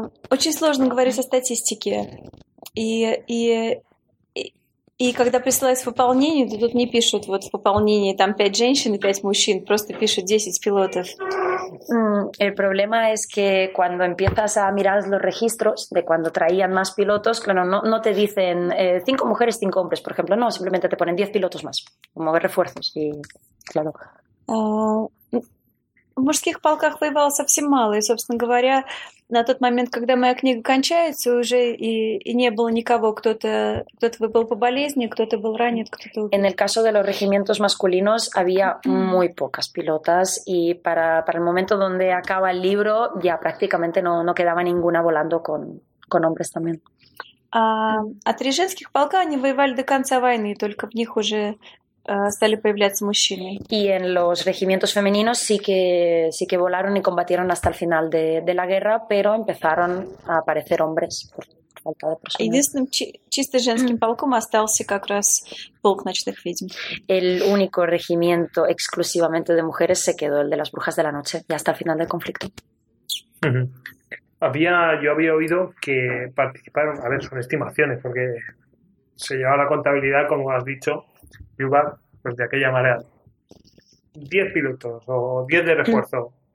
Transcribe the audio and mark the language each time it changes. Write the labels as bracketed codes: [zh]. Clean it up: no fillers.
[ru] Очень сложно говорить о статистике. И когда присылается в пополнение, то тут не пишут вот в пополнении там 5 женщин и 5 мужчин, просто пишут 10 пилотов. [es] El problema es que cuando empiezas a mirar los registros de cuando traían más pilotos, claro, no te dicen 5 mujeres, 5 hombres, por ejemplo, no, simplemente te ponen 10 pilotos más, como refuerzos, y claro. [ru] В мужских полках воевало совсем мало, и, собственно говоря, на тот момент, когда моя книга кончается, уже и не было никого, кто-то был по болезни, кто-то был ранен, кто-то... [es] En el caso de los regimientos masculinos había muy pocas pilotas, y para el momento donde acaba el libro ya prácticamente no quedaba ninguna volando con hombres también. [ru] А 3 женских полка, они воевали до конца войны, только в них уже... стали появляться мужчины. [es] Y en los regimientos femeninos sí que volaron y combatieron hasta el final de la guerra, pero empezaron a aparecer hombres por falta de personal. [ru] Единственным чисто женским полком остался как раз полк ночных ведьм. [es] El único regimiento exclusivamente de mujeres se quedó el de las brujas de la noche y hasta el final del conflicto. Yo había oído que participaron, a ver, son estimaciones, porque se llevaba la contabilidad, como has dicho, Yuba, pues de aquella manera, 10 pilotos o 10 de refuerzo.